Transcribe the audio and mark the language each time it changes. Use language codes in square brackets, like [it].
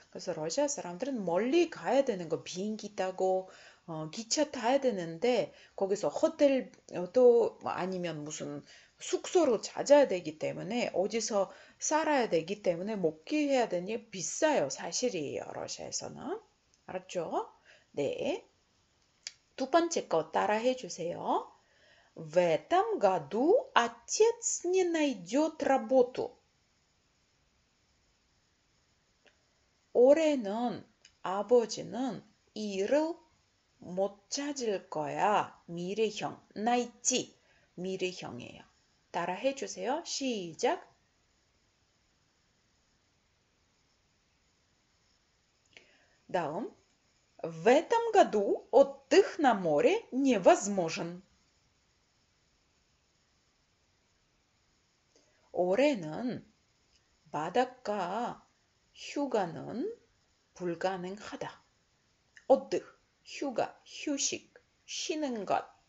[ko] 그래서 러시아 사람들은 멀리 가야 되는 거, 비행기 타고 기차 타야 되는데, 거기서 호텔도 아니면 무슨 숙소로 찾아야 되기 때문에, 어디서 살아야 되기 때문에 먹기 해야 되니 비싸요. 사실이에요. 러시아에서는. 알았죠? 네. 두 번째 거 따라해 주세요. [ru] В этом году отец не найдет работу. [ko] 올해는 아버지는 일을 못 찾을 거야. 미래형, 나이치, 미래형이에요. 따라해 주세요. 시작. 다음. [ru] В этом году отдых на море невозможен. [ko] 올해는 바닷가 휴가는 불가능하다. 어드, 휴가, 휴식, 쉬는 것.